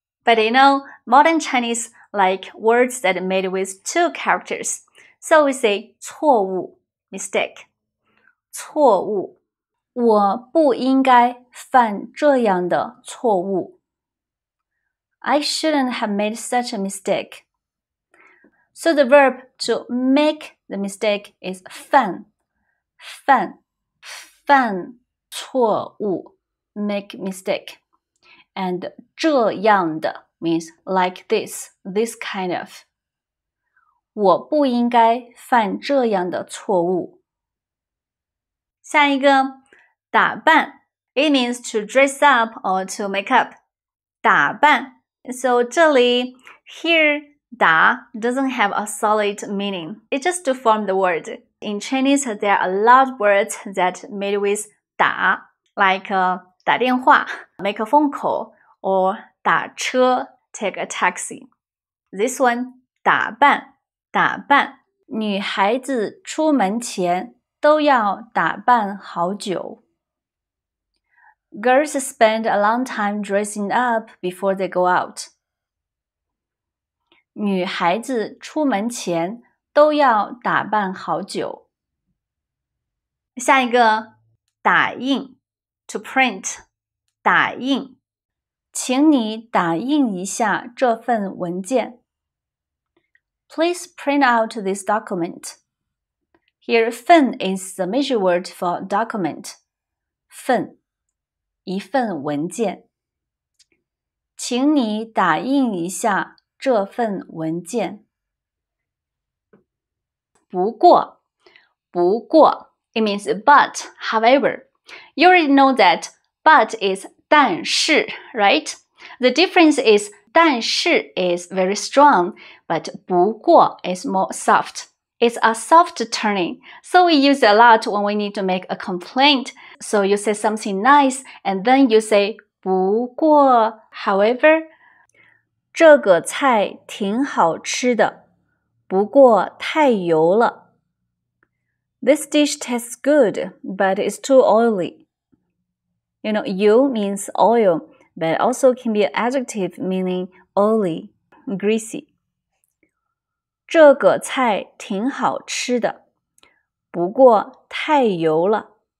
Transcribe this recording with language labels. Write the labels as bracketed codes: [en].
[en] But you know, modern Chinese like words that are made with two characters. So we say 错误 mistake. [zh] 错误。我不应该犯这样的错误。 [en] I shouldn't have made such a mistake. So the verb to make the mistake is 犯。 [zh] 犯。犯错误。 [en] Make mistake. And 这样的 means like this, this kind of. [zh] 我不应该犯这样的错误。下一个，打扮。 [en] It means to dress up or to make up. 打扮。 So 这里 here, 打 doesn't have a solid meaning. It's just to form the word. In Chinese, there are a lot of words that made with 打, like,打电话 make a phone call, or 打车 take a taxi. [zh] This one, 打扮，打扮。女孩子出门前都要打扮好久。 [en] Girls spend a long time dressing up before they go out. [zh] 女孩子出门前都要打扮好久。下一个，打印 [en] ，to print， [zh] 打印，请你打印一下这份文件。 [en] Please print out this document. Here, 份 is the measure word for document. [zh] 份，一份文件。请你打印一下这份文件。不过，不过。 [en] It means but, however. You already know that but is 但是, right? The difference is 但是 is very strong, but 不过 is more soft. It's a soft turning. So we use it a lot when we need to make a complaint. So you say something nice, and then you say 不过, however. [zh] 这个菜挺好吃的,不过太油了。 [en] This dish tastes good, but it's too oily. You know, 油 means oil, but also can be an adjective meaning oily, greasy. [zh] 这个菜挺好吃的，不过太油了。